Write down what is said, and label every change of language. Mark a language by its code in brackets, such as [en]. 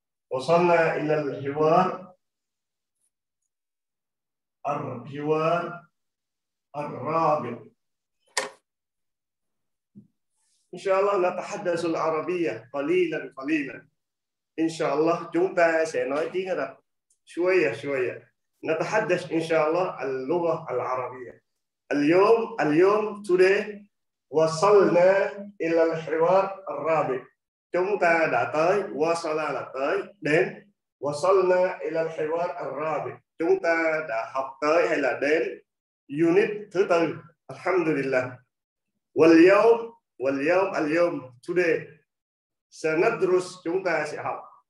[ar] وصلنا إلى الحوار، الحوار الرابع. إن شاء الله نتحدث العربية قليلا قليلا. إن شاء الله [vi] chúng ta sẽ nói tiếng Ả Rập [ar] شوية شوية. نتحدث إن شاء الله اللغة العربية. اليوم [en] today [ar] وصلنا إلى الحوار الرابع. [vi] Chúng ta đã tới, wasala là tới, đến. [ar] Wasalna ila al-hiwar al-rabi. [vi] Chúng ta đã học tới hay là đến unit thứ tư. Alhamdulillah. [ar] Wal-yawm, al-yawm, [en] today. [ar] Sanadrus, [vi] chúng ta sẽ học.